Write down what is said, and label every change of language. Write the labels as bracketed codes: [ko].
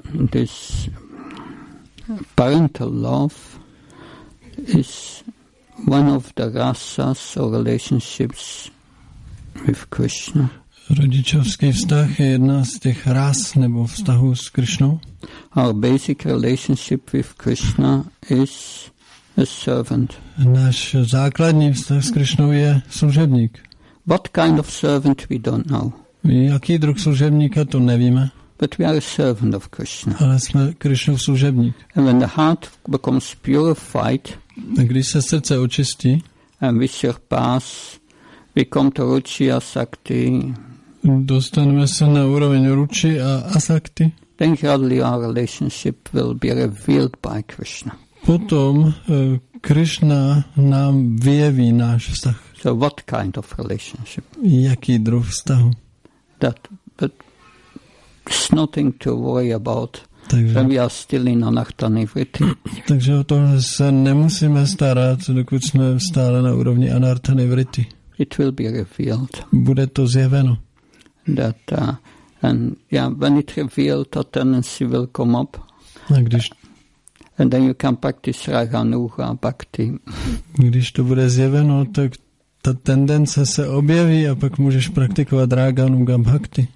[en] This parental love is one of the rasas or relationships with Krishna. [cs] Rodičovský vztah je jedna z těch ras nebo vztahů s Krishnou. [en] Our basic relationship with Krishna is a servant. [cs] Náš základní vztah s Krishnou je služebník. [en] What kind of servant we don't know. [cs] Jaký druh služebníka to nevíme. [en] But we are a servant of Krishna. [cs] Ale jsme Krishnův služebník. [en] And when the heart becomes purified, [cs] když se srdce očistí, [en] and we surpass, we come to Ruchiya Sakti. [cs] Dostaneme se na úroveň Ruchi a Asakti. [en] Then gradually our relationship will be revealed by Krishna. [cs] Potom Krishna nám vyjeví náš vztah. [en] So what kind of relationship? [cs] Jaký druh vztahu? [en] That, but it's nothing to worry about. Takže, when we are still in Anartha-nivritti. [cs] Takže o tom se nemusíme starat, dokud jsme stále na úrovni Anartha-nivritti. [en] It will be revealed. [cs] Bude to zjeveno. [en] That, and yeah, when it revealed, a tendency will come up. [cs] A když, [en] and then you can practice Raghunuga Bhakti. [cs] Když to bude zjeveno, tak ta tendence se objeví a pak můžeš praktikovat Raghunuga Bhakti.